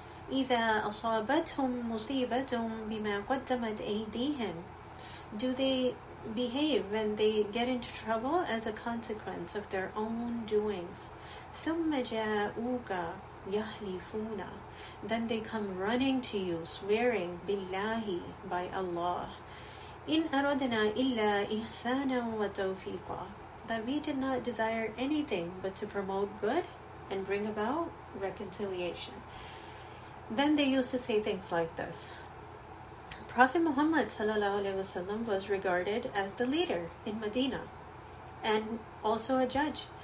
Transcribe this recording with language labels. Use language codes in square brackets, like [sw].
[ar] إِذَا أَصَابَتْهُمْ مُصِيبَةٌ بِمَا قَدَّمَتْ أَيْدِيهِمْ. [en] Do they behave when they get into trouble as a consequence of their own doings? [ar] ثُمَّ جَاءُوكَ يَحْلِفُونَ. [en] Then they come running to you, swearing, بِاللَّهِ, by Allah. [ar] إن أرادنا إلا إحسانا وتوفيقا. [en] That we did not desire anything but to promote good and bring about reconciliation. Then they used to say things like this. Prophet Muhammad sallallahu alaihi wasallam was regarded as the leader in Medina and also a judge.